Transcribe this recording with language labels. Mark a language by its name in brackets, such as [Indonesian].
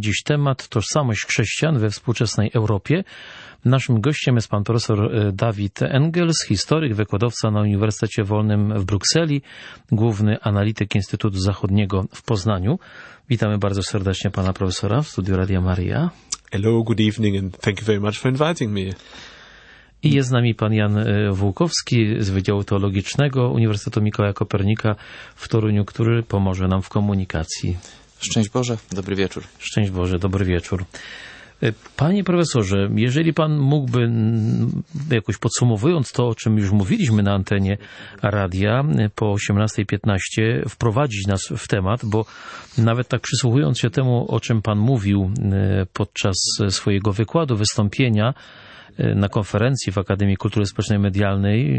[Polish] Dziś temat tożsamość chrześcijan we współczesnej Europie. Naszym gościem jest pan profesor Dawid Engels, historyk, wykładowca na Uniwersytecie Wolnym w Brukseli, główny analityk Instytutu Zachodniego w Poznaniu. Witamy bardzo serdecznie pana profesora w studiu Radia Maria. [English] Hello, good evening and thank you very much for inviting me. [Polish] I jest z nami pan Jan Włókowski z Wydziału Teologicznego Uniwersytetu Mikołaja Kopernika w Toruniu, który pomoże nam w komunikacji. Szczęść Boże, dobry wieczór. Szczęść Boże, dobry wieczór. Panie profesorze, jeżeli pan mógłby, jakoś podsumowując to, o czym już mówiliśmy na antenie radia po 18.15, wprowadzić nas w temat, bo nawet tak przysłuchując się temu, o czym pan mówił podczas swojego wykładu, wystąpienia, na konferencji w Akademii Kultury Społecznej Medialnej.